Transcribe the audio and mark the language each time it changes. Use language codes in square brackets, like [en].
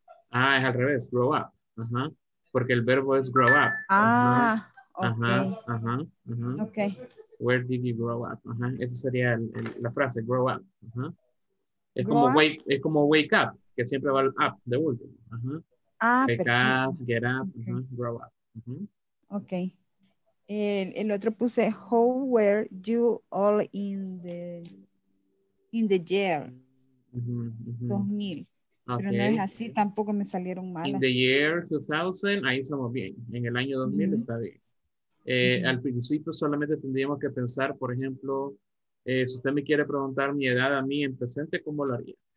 [es] Ah, es al revés, grow up. Ajá. Porque el verbo es grow up. Ah, ajá. Ok. Ajá, ajá, ajá. Ok. [en] Where did you grow up? Ajá. [es] Esa sería la frase, [en] grow up. Ajá. [es] Es como wake up, que siempre va al up, de último. [en] Wake up, get up, okay. Grow up. Ok. [es] El otro puse, [en] how were you all in the year? 2000. Okay. [es] Pero no es así, tampoco me salieron malas. [en] In the year 2000, [es] ahí estamos bien. En el año 2000 está bien. Al principio solamente tendríamos que pensar, por ejemplo, si usted me quiere preguntar mi edad a mí en presente, ¿cómo lo haría?